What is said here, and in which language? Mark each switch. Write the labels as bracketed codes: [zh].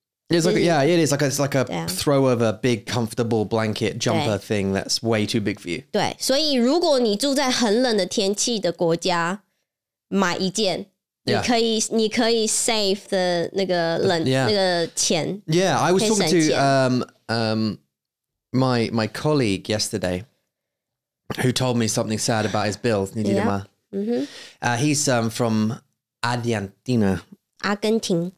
[en] It's like it's like a throw of a big comfortable blanket jumper thing that's way too big for you. [zh] 对，所以如果你住在很冷的天气的国家，买一件。 [en] Yeah. [zh] 你可以 [en] save [zh] 的那个冷 [en] yeah. [zh] 那个钱。 [en] Yeah, I was talking to my colleague yesterday, who told me something sad about his bills. [zh] 你记得吗？嗯哼。 [en] He's from Argentina. [zh] 阿根廷。